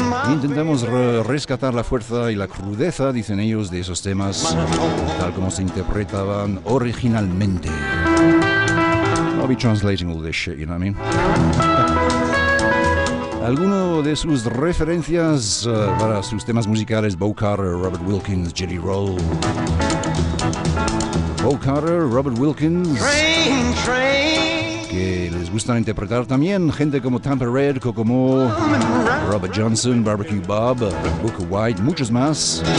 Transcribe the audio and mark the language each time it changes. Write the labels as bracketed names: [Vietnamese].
[Spanish] Intentamos rescatar la fuerza y la crudeza, dicen ellos, de esos temas, tal como se interpretaban originalmente. [English] I'll be translating all this shit, you know what I mean? [Spanish] Alguno de sus referencias para sus temas musicales: Bo Carter, Robert Wilkins, Jelly Roll. Bo Carter, Robert Wilkins. Train, train. Que les gustan interpretar también gente como Tampa Red, Kokomo, Robert Johnson, Barbecue Bob, Booker White, muchos más.